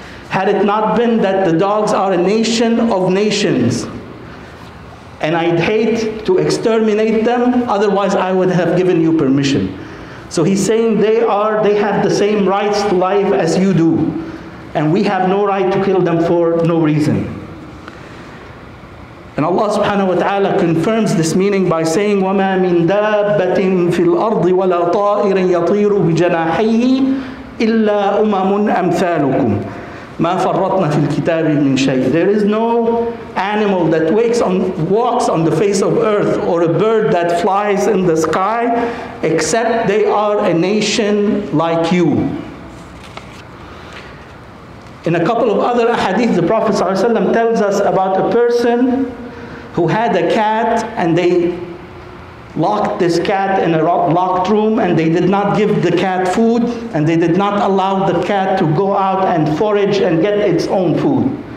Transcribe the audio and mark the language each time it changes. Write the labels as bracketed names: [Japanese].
[English] Had it not been that the dogs are a nation of nations, and I'd hate to exterminate them, otherwise I would have given you permission. So he's saying they have the same rights to life as you do, and we have no right to kill them for no reason. And Allah subhanahu wa ta'ala confirms this meaning by saying, [Arabic] وَمَا مِن دَابَّةٍ فِي الْأَرْضِ وَلَا طَائِرٍ يَطِيرُ بِجَنَاحَيْهِ إِلَّا أُمَمٌ أَمْثَالُكُمْ مَا فَرَّطْنَا فِي الْكِتَابِ مِنْ شَيْءٍ. [English] There is no animal that walks on the face of earth, or a bird that flies in the sky, except they are a nation like you. In a couple of other hadith, the Prophet ﷺ tells us about a person who had a cat, and they locked this cat in a locked room, and they did not give the cat food, and they did not allow the cat to go out and forage and get its own food.